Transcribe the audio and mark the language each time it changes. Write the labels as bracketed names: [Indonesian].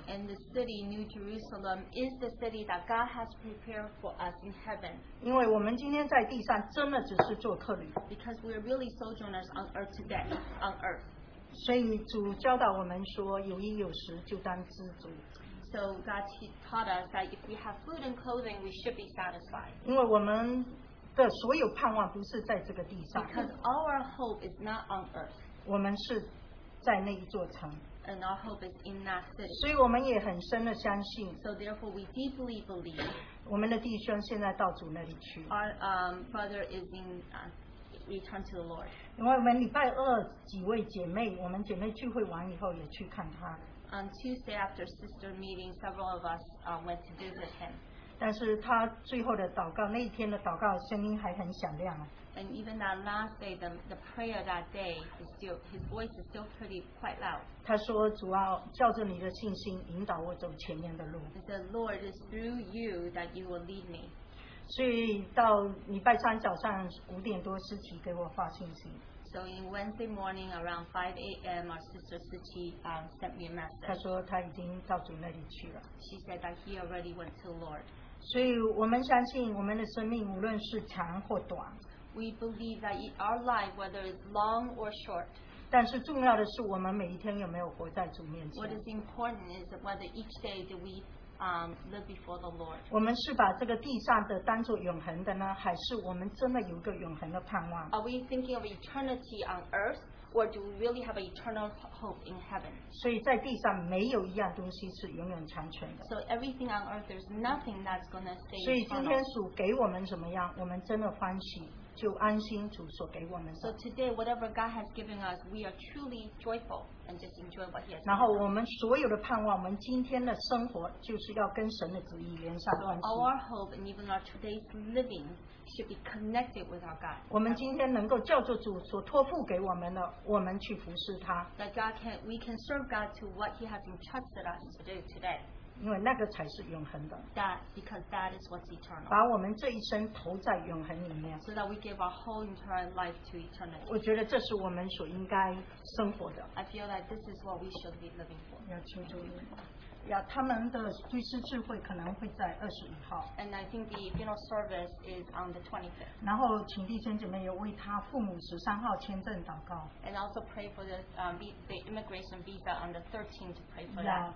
[English] And the city New Jerusalem is the city that God has prepared for us in heaven. [Chinese] 因为我们今天在地上真的只是做客旅。 [English] Because we are really sojourners on earth today, on earth. [Chinese] 所以主教导我们说，有衣有食就当知足。 [English] So God taught us that if we have food and clothing, we should be satisfied. [Chinese] 因为我们 的所有盼望不是在这个地上， [English] because our hope is not on earth. [Chinese] 我们是在那一座城， [English] and our hope is in that city. [Chinese] 所以我们也很深的相信， [English] so therefore we deeply believe. [Chinese] 我们的弟兄现在到主那里去， [English] our brother is in return to the Lord. [Chinese] 因为我们礼拜二几位姐妹， 我们姐妹聚会完以后也去看他。 [English] On Tuesday after sister meeting, several of us went to visit him. [Chinese] 但是他最后的祷告，那一天的祷告声音还很响亮。 [English] And even that last day, the prayer that day, is still, his voice is still pretty quite loud. [Chinese] 他说, 主啊, 叫着你的信心, 引导我走前面的路。 [English] He said, Lord, it's through you that you will lead me. [Chinese] 所以到礼拜三早上, 5点多, 思琪给我发信息。 [English] So in Wednesday morning around 5 a.m., our sister Sichi sent me a message. [Chinese] 她说她已经到主那里去了。 [English] She said that he already went to the Lord. [Chinese] 所以我们相信我们的生命无论是长或短, [English] we believe that our life, whether it's long or short, [Chinese] 但是重要的是我们每一天有没有活在主面前。 [English] What is important is whether each day do we live before the Lord. [Chinese] 我们是把这个地上的当作永恒的呢, 还是我们真的有一个永恒的盼望? [English] Are we thinking of eternity on earth, or do we really have an eternal hope in heaven? [Chinese] 所以在地上没有一样东西是永远长存的。 [English] So everything on earth, there's nothing that's going to stay eternal. [Chinese] 所以今天主给我们怎么样, 我们真的欢喜, 就安心主所给我们的。 [English] So today, whatever God has given us, we are truly joyful and just enjoy what he has given. [Chinese] 然后我们所有的盼望, 我们今天的生活, 就是要跟神的旨意连上关系。 [English] So all our hope and even our today's living should be connected with our God. [Chinese] 我们今天能够叫做主所托付给我们的, 我们去服侍他。 [English] That God can, we can serve God to what he has entrusted us to do today. [Chinese] 因为那个才是永恒的, [English] that, because that is what's eternal. [Chinese] 把我们这一生投在永恒里面, [English] so that we give our whole entire life to eternity. [Chinese] 我觉得这是我们所应该生活的。 [English] I feel that this is what we should be living for. [Chinese] 要求主应该。他们的居士智慧可能会在21号。 [English] And I think the funeral service is on the 25th. [Chinese] 然后请弟兄姐妹也为他父母13号签证祷告。 [English] And also pray for the immigration visa on the 13th to pray for that.